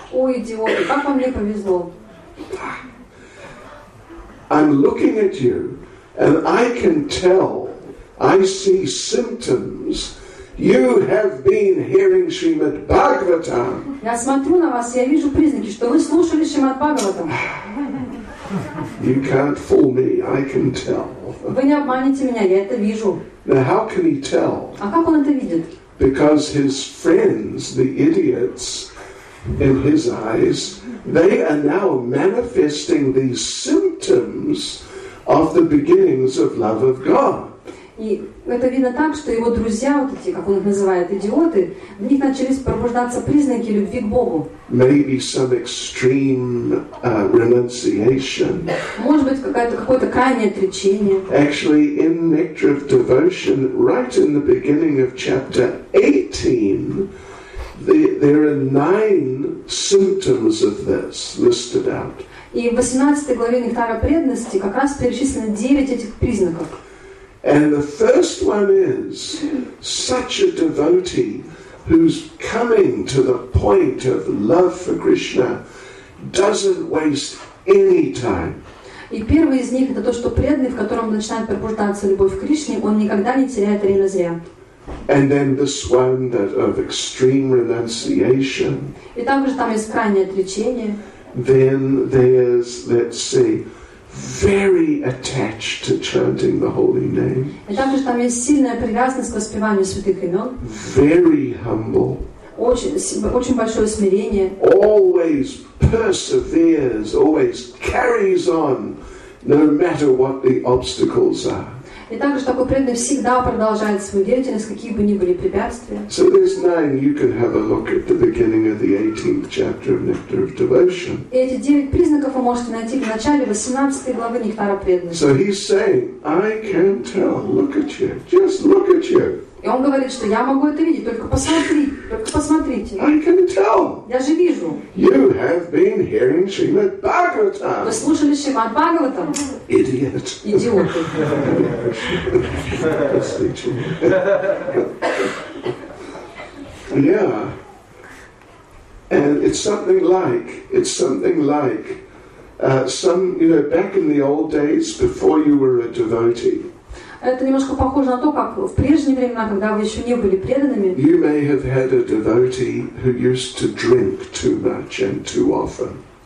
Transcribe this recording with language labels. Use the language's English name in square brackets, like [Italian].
[Russian] Ой, идиоты, как вам не повезло! [English] I'm looking at you, and I can tell, I see symptoms. You have been hearing Srimad Bhagavatam. [Russian] Я смотрю на вас, я вижу признаки, что вы слушали Шримад Бхагаватам. [English] You can't fool me, I can tell. [Russian] Вы не обманете меня, я это вижу. [English] Now how can he tell? [Russian] А как он это видит? [English] Because his friends, the idiots, in his eyes, they are now manifesting these symptoms of the beginnings of love of God. [Russian] И это видно так, что его друзья, вот эти, как он их называет, идиоты, в них начались пробуждаться признаки любви к Богу. [English] Maybe some extreme renunciation. [Russian] Может быть, какое-то крайнее отречение. [English] Actually, in Nectar of Devotion, right in the beginning of chapter 18, there are 9 symptoms of this listed out. [Russian] И в 18 главе Нектара преданности как раз перечислено 9 этих признаков. [English] And the first one is such a devotee who's coming to the point of love for Krishna doesn't waste any time. [Russian] И первый из них это то, что преданный, в котором начинает пробуждаться любовь к Кришне, он никогда не теряет время зря. [English] And then this one that of extreme renunciation. [Russian] И также там есть крайнее отречение. [English] Then there's, let's see, very attached to chanting the holy name. [Russian] И также там есть сильная привязанность к воспеванию святых имен. [English] Very humble. [Russian] Очень большое смирение. [English] Always perseveres, always carries on, no matter what the obstacles are. [Russian] И также такой преданный всегда продолжает свою деятельность, какие бы ни были препятствия. [English] So there's 9, you can have a look at the beginning of the 18th chapter of Nectar of Devotion. [Russian] И эти 9 признаков вы можете найти в начале 18 главы Нектара преданности. [English] So he's saying, I can tell, look at you, just look at you. [Russian] И он говорит, что я могу это видеть, только посмотрите. [English] I can tell. [Russian] Я же вижу. [English] You have been hearing Srimad Bhagavatam. [Russian] Вы слушали Шримад Бхагаватам? [English] Idiot. [Russian] Идиот. [English] Yeah. And it's something like some, you know, back in the old days before you were a devotee. [Russian] Это немножко похоже на то, как в прежние времена, когда вы еще не были преданными. [English] You may have had a devotee who used to drink too much and too often.